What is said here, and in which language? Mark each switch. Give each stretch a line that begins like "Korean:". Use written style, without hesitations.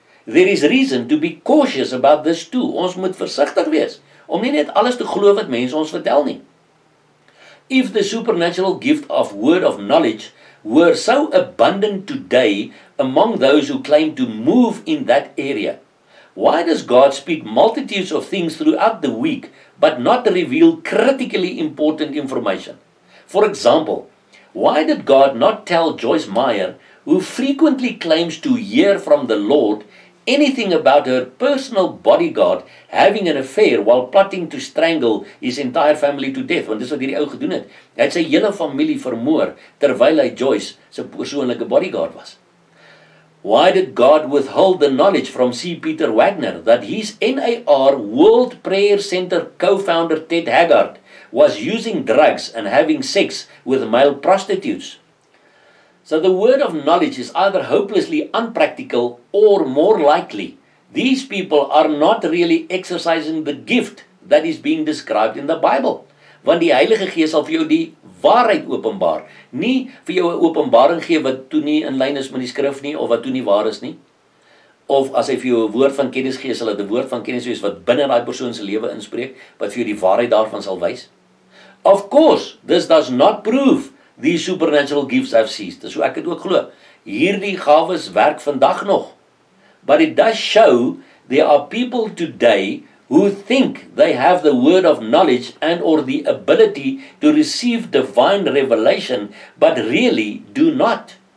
English: There is reason to be cautious about this too.
Afrikaans: Ons moet versigtig wees om nie net alles te glo wat mense ons vertel nie.
English: If the supernatural gift of word of knowledge were so abundant today among those who claim to move in that area, why does God speak multitudes of things throughout the week but not reveal critically important information? For example, why did God not tell Joyce Meyer, who frequently claims to hear from the Lord, anything about her personal bodyguard having an affair while plotting to strangle his entire family to death?
Afrikaans: Want dis wat hierdie ou gedoen het. Hy het sy hele familie vermoor terwyl hy Joyce se persoonlike bodyguard was.
English: Why did God withhold the knowledge from C. Peter Wagner that his N.A.R. World Prayer Center co-founder Ted Haggard was using drugs and having sex with male prostitutes? So the word of knowledge is either hopelessly unpractical or, more likely, these people are not really exercising the gift that is being described in the Bible.
Afrikaans: Want die Heilige Gees sal vir jou die waarheid openbaar, nie vir jou 'n openbaring gee wat toe nie in lyn is met die skrif nie, of wat toe nie waar is nie. Of as hy vir jou 'n woord van kennis gee, sal dit 'n woord van kennis wees wat binne daai persoon se lewe inspreek, wat vir jou die waarheid daarvan sal wys.
English: Of course, this does not prove these supernatural gifts have ceased.
Afrikaans: Dis hoe ek het ook glo. Hierdie gawes werk vandag nog.
English: But it does show there are people today who think they have the word of knowledge and or the ability to receive divine revelation, but really do not.